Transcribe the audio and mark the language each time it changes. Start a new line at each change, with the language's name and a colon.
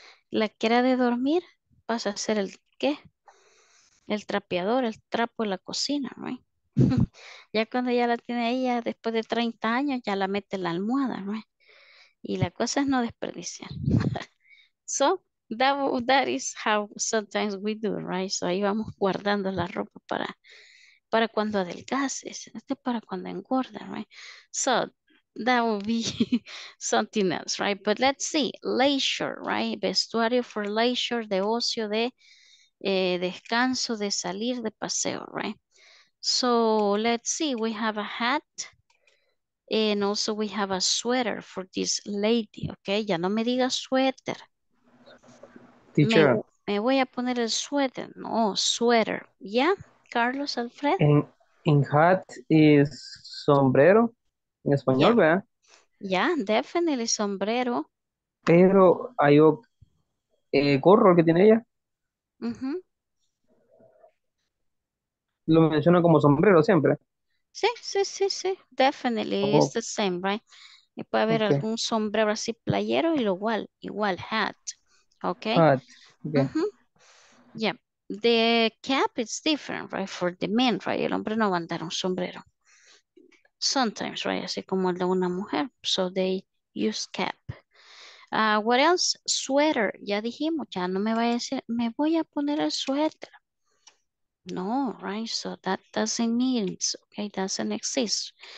Spanish: la que era de dormir, vas a hacer el qué? El trapeador, el trapo de la cocina, ¿no? Ya cuando ya la tiene ella, después de 30 años, ya la mete en la almohada, ¿no? Y la cosa es no desperdiciar.
English: So, that is how sometimes we do, right?
Spanish: So, ahí vamos guardando la ropa para cuando adelgaces, este para cuando engorda, right?
English: So, that will be something else, right? But let's see, leisure,
Spanish: right? Vestuario for leisure, de ocio, de descanso, de salir, de paseo, right?
English: So, let's see, we have a hat. And also we have a sweater for this lady, okay?
Spanish: Ya no me diga suéter.
English: Teacher.
Spanish: Me voy a poner el suéter.
English: No, sweater. Yeah,
Spanish: Carlos Alfredo.
English: In hat is
Spanish: sombrero en español,
English: yeah.
Spanish: ¿Verdad?
English: Yeah, definitely sombrero.
Spanish: Pero hay gorro que tiene ella. Mm-hmm. Lo menciona como sombrero siempre. Sí, sí, sí, sí,
English: definitely, oh. It's the same, right?
Spanish: Y puede haber okay.
English: Algún sombrero así playero y lo igual, igual, hat, okay? Hat, okay. Mm-hmm. Yeah, the cap is different, right, for the men, right?
Spanish: El hombre no va a andar un sombrero.
English: Sometimes, right,
Spanish: así como el de una mujer,
English: so they use cap. What else?
Spanish: Sweater, ya dijimos, ya no me vaya a decir, me voy a poner el suéter.
English: No, right, so that doesn't mean, okay, doesn't exist.